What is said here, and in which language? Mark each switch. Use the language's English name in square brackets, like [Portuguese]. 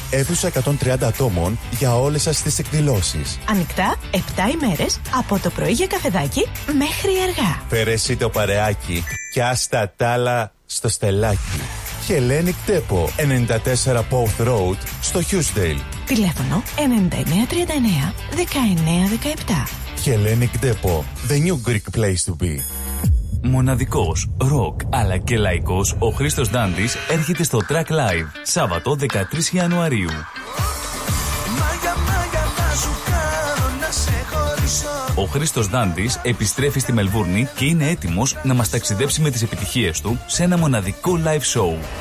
[Greek] Αίθουσα 130 ατόμων για όλες σας τις εκδηλώσεις. Ανοιχτά 7 ημέρες από το πρωί για καφεδάκι μέχρι αργά. Φέρε εσύ το παρεάκι και άστα τ' άλλα στο στελάκι. Hellenic Depot, 94 Pouth Road, στο Χιούσντεϊλ. Τηλέφωνο 9939-1917. [English] Hellenic Depot, the new Greek place to be. [Greek] Μοναδικός, ροκ, αλλά και λαϊκός, ο Χρήστος Δάντης έρχεται στο Track Live, Σάββατο 13 Ιανουαρίου. Ο Χρήστος Δάντης επιστρέφει στη Μελβούρνη και είναι έτοιμος να μας ταξιδέψει με τις επιτυχίες του σε ένα μοναδικό live show.